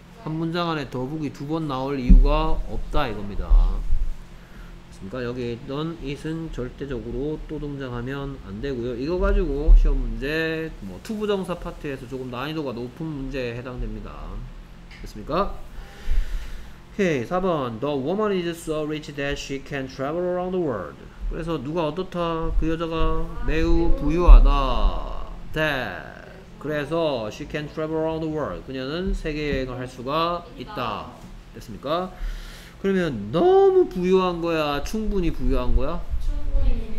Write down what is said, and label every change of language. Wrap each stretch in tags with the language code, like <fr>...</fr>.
<ko>한 문장 안에 the book이 두 번 나올 이유가 없다 이겁니다. 그러니까 여기에 있던 it은 절대적으로 또 등장하면 안 되고요. 이거 가지고 시험 문제 뭐 투부정사 파트에서 조금 난이도가 높은 문제에 해당됩니다. 됐습니까?</ko> <en>Okay, 4번 The woman is so rich that she can travel around the world.</en> <ko>그래서 누가 어떻다? 그 여자가 매우 부유하다.</ko> <en>That.</en> <ko>그래서</ko> <en>she can travel around the world.</en> <ko>그녀는 세계여행을 할 수가 있다. 됐습니까? 그러면 너무 부유한 거야? 충분히 부유한 거야? 충분히 부유한</ko>